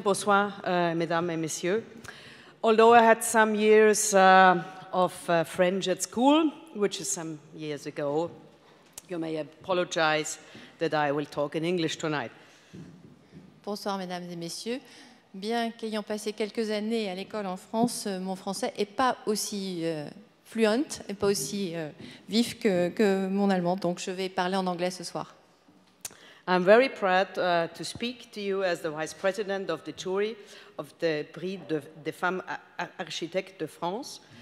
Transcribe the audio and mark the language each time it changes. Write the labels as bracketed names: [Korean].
[French] Bonsoir, mesdames et messieurs. [English] Although I had some years of French at school, which is some years ago, you may apologize that I will talk in English tonight. [French] Bonsoir, mesdames et messieurs. Bien qu'ayant passé quelques années à l'école en France, mon français n'est pas aussi fluent, et pas aussi vif que mon allemand. Donc, je vais parler en anglais ce soir. [English] I'm very proud to speak to you as the vice president of the jury of the Prix des femmes architectes de France.